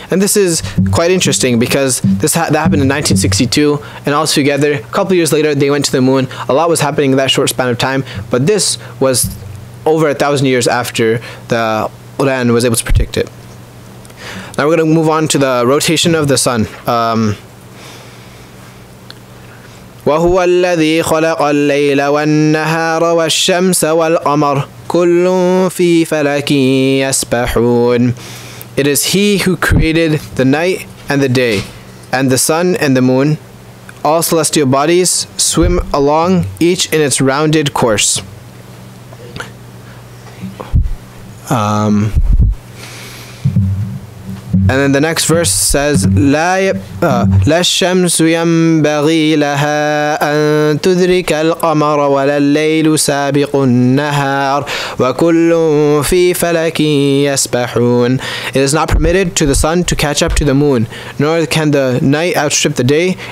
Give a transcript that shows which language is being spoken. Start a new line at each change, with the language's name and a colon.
English: And this is quite interesting because that happened in 1962, and altogether, a couple years later, they went to the moon. A lot was happening in that short span of time, but this was over 1,000 years after the Uran was able to predict it. Now we're going to move on to the rotation of the sun.
Arabic: وهو الذي خلق الليل والنهار والشمس والقمر كل في فلك يسبحون.
English: It is he who created the night and the day, and the sun and the moon. All celestial bodies swim along, each in its rounded course. And then the next verse says,
Arabic: لا الشمس ينبغي لها أن تدرك القمر ولا الليل سابق النهار وكل في فلك يسبحون.
English: It is not permitted to the sun to catch up to the moon, nor can the night outstrip the day.